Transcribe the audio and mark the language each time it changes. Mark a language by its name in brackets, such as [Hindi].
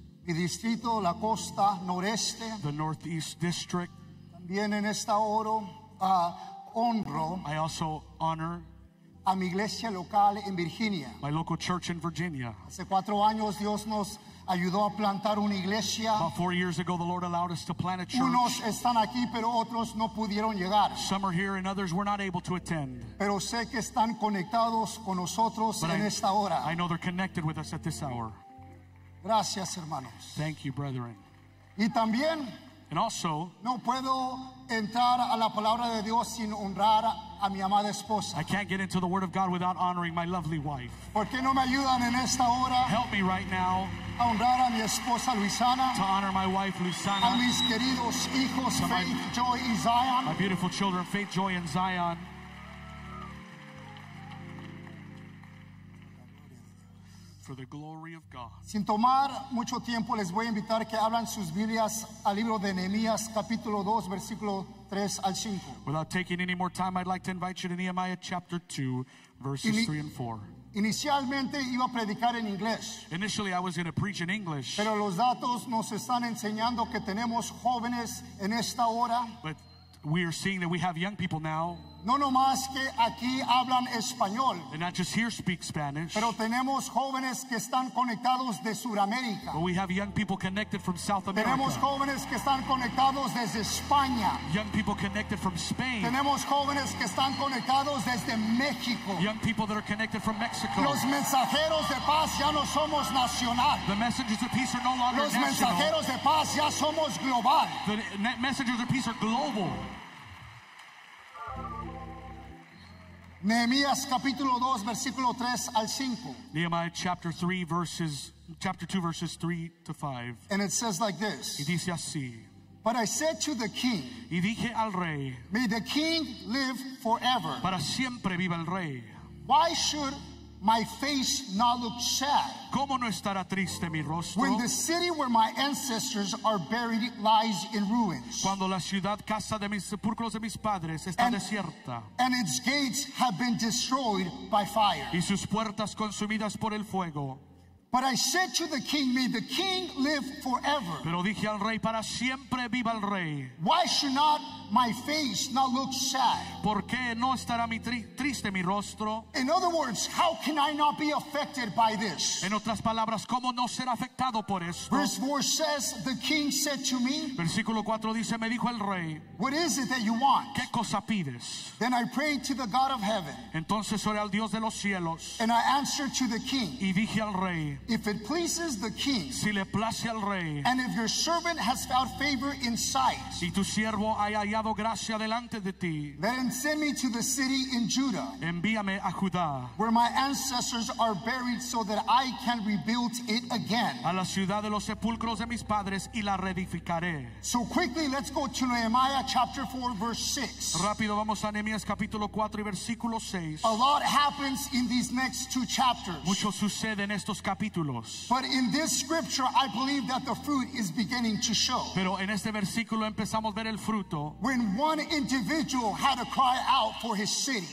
[Spanish] Mi distrito, la costa noreste. [English] The Northeast District. [Spanish] También en esta hora honro. [English] I also honor [Spanish] a mi iglesia local en Virginia. [English] My local church in Virginia. [Spanish] Hace cuatro años Dios nos ayudó a plantar una iglesia. [English] About 4 years ago, the Lord allowed us to plant a church. [Spanish] Unos están aquí, pero otros no pudieron llegar. [English] Some are here and others were not able to attend. [Spanish] Pero sé que están conectados con nosotros [English] But [Spanish] en [English] I, [Spanish] esta hora. [English] I know they're connected with us at this hour. [Spanish] Gracias, hermanos. [English] Thank you, brethren. [Spanish] Y también, [English] and also, [Spanish] no puedo entrar a la palabra de Dios sin honrar a mi amada esposa. [English] I can't get into the word of God without honoring my lovely wife. [Spanish] ¿Por qué no me ayudan en esta hora? [English] Help me right now. [Spanish] A honrar a mi esposa Luisana. [English] To honor my wife Luisana. [Spanish] A mis queridos hijos Faith, Joy, y Zion. [English] My beautiful children Faith, Joy, and Zion. For the glory of God. [Spanish] Sin tomar mucho tiempo, les voy a invitar que abran sus Biblias al libro de Nehemías, capítulo 2, versículo 3 al 5. [English] Without taking any more time, I'd like to invite you to Nehemiah chapter 2, verses 3 and 4. [Spanish] Inicialmente iba a predicar en inglés. [English] Initially, I was going to preach in English. [Spanish] Pero los datos nos están enseñando que tenemos jóvenes en esta hora. [English] But We are seeing that we have young people now. [Spanish] No nomás que aquí hablan español. [English] They not just here speak Spanish. [Spanish] Pero tenemos jóvenes que están conectados de Sudamérica. [English] But we have young people connected from South America. [Spanish] Tenemos jóvenes que están conectados desde España. [English] Young people connected from Spain. [Spanish] Tenemos jóvenes que están conectados desde México. [English] Young people that are connected from Mexico. [Spanish] Los mensajeros de paz ya no somos nacional. [English] The messengers of peace are no longer [Spanish] Los mensajeros [English] national. [Spanish] De paz ya somos global. [English] The messengers of peace are global. [Spanish] Nehemías capítulo 2 versículo 3 al 5. [English] Nehemiah chapter 3 verses chapter 2 verses 3 to 5. And it says like this. [Spanish] Y dice así. [English] But I said to the king. [Spanish] Y dije al rey. [English] May the king live forever. [Spanish] Para siempre viva el rey. [English] Why should my face not look sad? [Spanish] ¿Cómo no estará triste mi rostro? [English] When the city where my ancestors are buried lies in ruins. [Spanish] Cuando la ciudad, casa de mis sepulcros de mis padres, está desierta. [English] And its gates have been destroyed by fire. [Spanish] Y sus puertas consumidas por el fuego. [English] But I said to the king, may the king live forever. [Spanish] Pero dije al rey, para siempre viva el rey. [English] Why should not my face not look sad? [Spanish] ¿Por qué no estará triste mi rostro? [English] In other words, how can I not be affected by this? [Spanish] En otras palabras, ¿cómo no ser afectado por esto? [English] Verse 4 says, the king said to me. [Spanish] Versículo 4 dice, me dijo el rey. [English] What is it that you want? [Spanish] ¿Qué cosa pides? [English] Then I prayed to the God of heaven. [Spanish] Entonces oré al Dios de los cielos. [English] And I answered to the king. [Spanish] Y dije al rey. [English] If it pleases the king, [Spanish] si le place al rey, [English] and if your servant has found favor in sight, [Spanish] si tu siervo haya hallado gracia delante de ti, [English] then send me to the city in Judah, [Spanish] envíame a Judá, [English] where my ancestors are buried, so that I can rebuild it again. [Spanish] A la ciudad de los sepulcros de mis padres y la reedificaré. [English] So quickly, let's go to Nehemiah chapter 4, verse 6. [Spanish] Rápido, vamos a Nehemías capítulo 4 y versículo 6. [English] A lot happens in these next two chapters. [Spanish] Mucho sucede en estos. [English] But in this scripture, I believe that the fruit is beginning to show. [Spanish] Pero en este versículo empezamos a ver el fruto. [English] When one individual had a cry out for his city.